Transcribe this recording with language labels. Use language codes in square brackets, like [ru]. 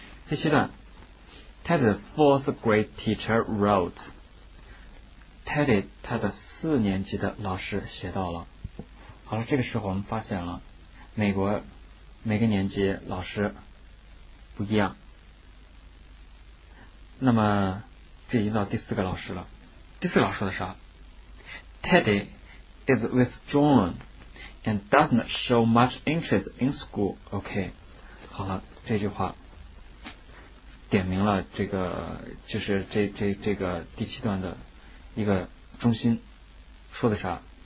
[zh] 第七段 [en] Teddy's fourth grade teacher wrote， [zh] Teddy 他的四年级的老师写到了。好了，这个时候我们发现了美国每个年级老师不一样，那么这已经到第四个老师了。第四个老师说的啥？ [en] Teddy is withdrawn and doesn't show much interest in school. [zh] OK， 好了，这句话点明了这个就是这个第七段的一个中心，说的啥？